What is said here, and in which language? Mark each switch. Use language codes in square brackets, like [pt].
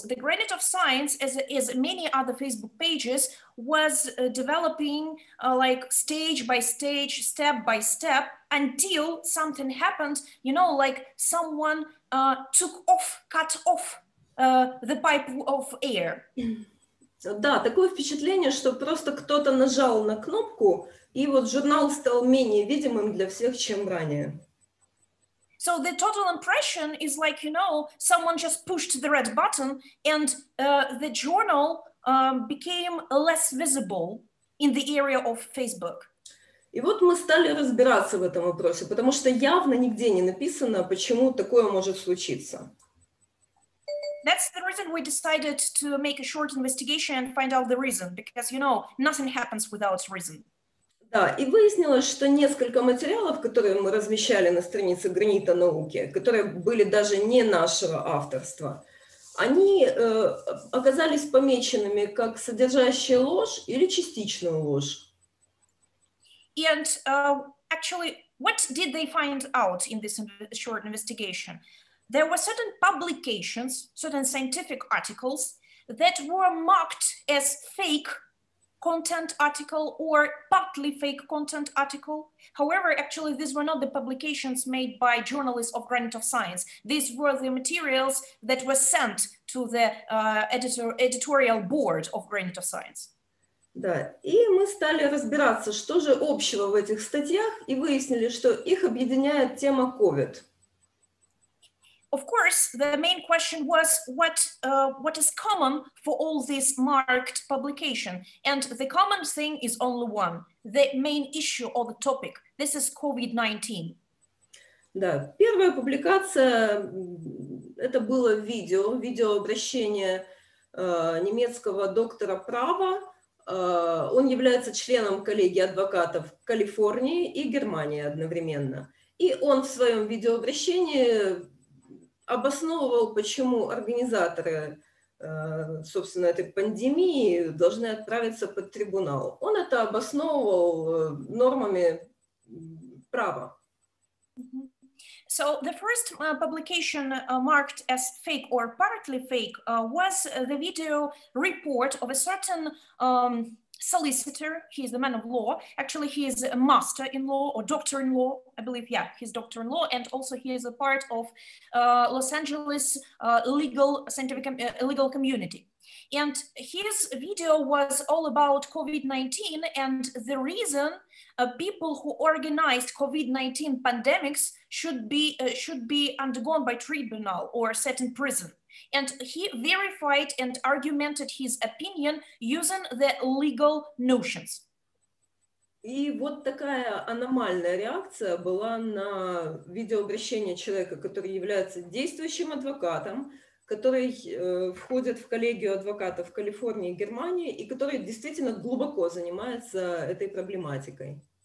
[en] The Granite of Science, as many other Facebook pages, was developing like stage by stage, step by step, until something happened, you know, like someone cut off the pipe of air. [ru] Да, такое впечатление, что просто кто-то нажал на кнопку, и вот журнал стал менее видимым для всех, чем ранее. [en] So the total impression is like, you know, someone just pushed the red button and the journal became less visible in the area of Facebook. [ru] И вот мы стали разбираться в этом вопросе, потому что явно нигде не написано, почему такое может случиться. [en] That's the reason we decided to make a short investigation and find out the reason, because, you know, nothing happens without reason. [ru] Да, и выяснилось, что несколько материалов, которые мы размещали на странице Гранита науки, которые были даже не нашего авторства, они оказались помеченными как содержащие ложь или частичную ложь. [en] And actually, what did they find out in this short investigation? There were certain publications, certain scientific articles that were marked as fake content article or partly fake content article. However, actually, these were not the publications made by journalists of Granite of Science. These were the materials that were sent to the editorial board of Granite of Science. [ru] Да, и мы стали разбираться, что же общего в этих статьях, и выяснили, что их объединяет тема COVID. [en] Of course, the main question was what is common for all this marked publication? And the common thing is only one, the main issue or the topic. This is COVID-19. [ru] Да, первая публикация, это было видео обращение немецкого доктора права. Он является членом коллегии адвокатов Калифорнии и Германии одновременно. И он в своем видеообращении обосновывал, почему организаторы, собственно, этой пандемии должны отправиться под трибунал. Он это обосновывал нормами права. [en] So the first publication marked as fake or partly fake was the video report of a certain solicitor. He is the man of law. Actually, he is a master in law or doctor in law. I believe, yeah, he's doctor in law. And also he is a part of Los Angeles legal scientific legal community. And his video was all about COVID-19 and the reason people who organized COVID-19 pandemics should be undergone by tribunal or set in prison. And he verified and argumented his opinion using the legal notions. [ru] И вот такая аномальная реакция была на видеообращение человека, который является действующим адвокатом, который входит в коллегию адвокатов Калифорнии и Германии и который действительно глубоко занимается этой проблематикой.